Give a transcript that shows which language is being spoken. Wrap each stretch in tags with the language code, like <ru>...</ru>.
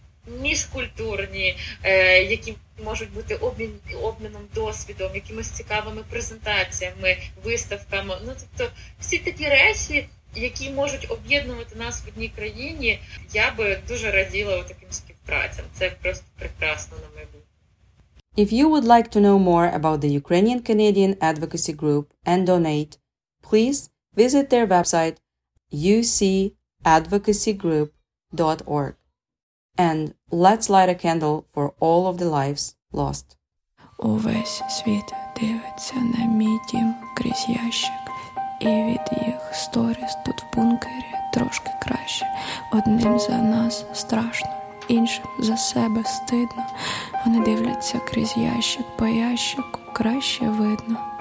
<uk>міжкультурні, які можуть бути обміном досвідом, якимись цікавими презентаціями, виставками. Ну, тобто всі такі речі, які можуть об'єднувати нас в одній країні, я би дуже раділа таким співпрацям. Це просто прекрасно на майбутнє.</uk> <en>If you would like to know more about the Ukrainian Canadian Advocacy Group and donate, please visit their website ucadvocacygroup.org. And let's light a candle for all of the lives lost.</en> <uk>Увесь світ дивиться на мій дім крізь ящик, і від їх сторіс тут в бункері трошки краще. Одним за нас страшно, іншим за себе стидно. Вони дивляться крізь ящик, по ящику краще видно.</uk>